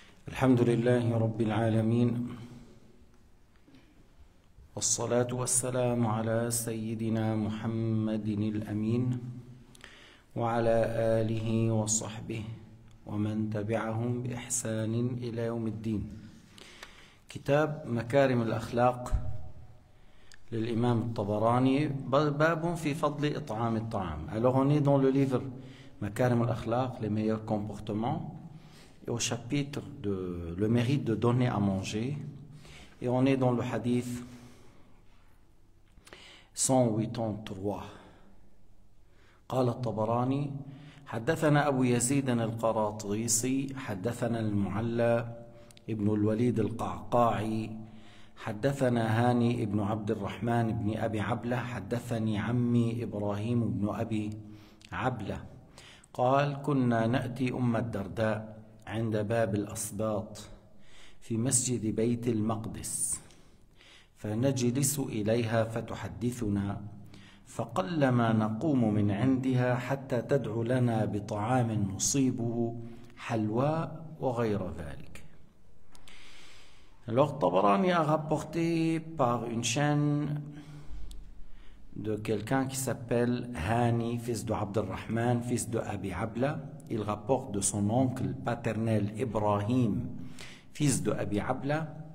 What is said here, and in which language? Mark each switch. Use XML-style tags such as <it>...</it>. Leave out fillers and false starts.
<ar>الحمد لله رب العالمين، والصلاة والسلام على سيدنا محمد الأمين وعلى آله وصحبه ومن تبعهم بإحسان إلى يوم الدين. كتاب مكارم الأخلاق للإمام الطبراني، باب في فضل إطعام الطعام.</ar> <fr>Alors on est dans le livre مكارم الأخلاق les meilleurs comportements. Et au chapitre de le mérite de donner à manger, et on est dans le hadith 183.</fr> <ar>قال الطبراني حدثنا أبو يزيد القراطيسي حدثنا المعلى ابن الوليد القعقاعي حدثنا هاني ابن عبد الرحمن ابن أبي عبلة حدثني عمي إبراهيم ابن أبي عبلة قال كنا نأتي أم الدرداء عند باب الأصباط في مسجد بيت المقدس فنجلس إليها فتحدثنا فقلما نقوم من عندها حتى تدعو لنا بطعام نصيبه حلوى وغير ذلك.</ar> <fr>Alors Tabarani a rapporté par une chaîne de quelqu'un qui s'appelle Hani, fils de Abdelrahman, fils de Abi Abla. Il rapporte de son oncle paternel Ibrahim, fils de Abi Abla.</fr>